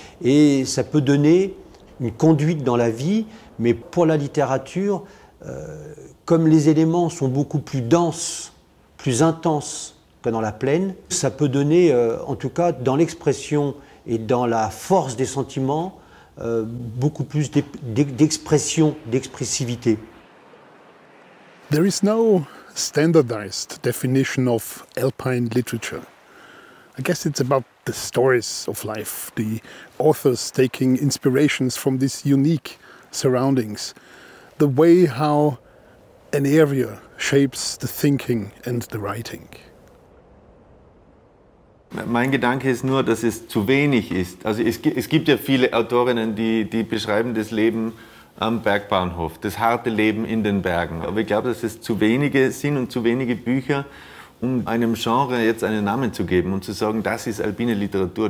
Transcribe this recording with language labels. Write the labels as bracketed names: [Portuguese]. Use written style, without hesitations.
[French] Et ça peut donner une conduite dans la vie, mais pour la littérature, comme les éléments sont beaucoup plus denses, plus intenses que dans la plaine. Ça peut donner, en tout cas, dans l'expression et dans la force des sentiments, beaucoup plus d'expression, d'expressivité. [English] There is no standardized definition of alpine literature. I guess it's about the stories of life, the authors taking inspirations from these unique surroundings, the way how an area shapes the thinking and the writing. [German] Mein Gedanke ist nur, dass es zu wenig ist. Also es gibt ja viele Autorinnen, die beschreiben das Leben am Bergbahnhof, das harte Leben in den Bergen. Aber ich glaube, dass es zu wenige sind und zu wenige Bücher, um einem Genre jetzt einen Namen zu geben und zu sagen, das ist alpine Literatur.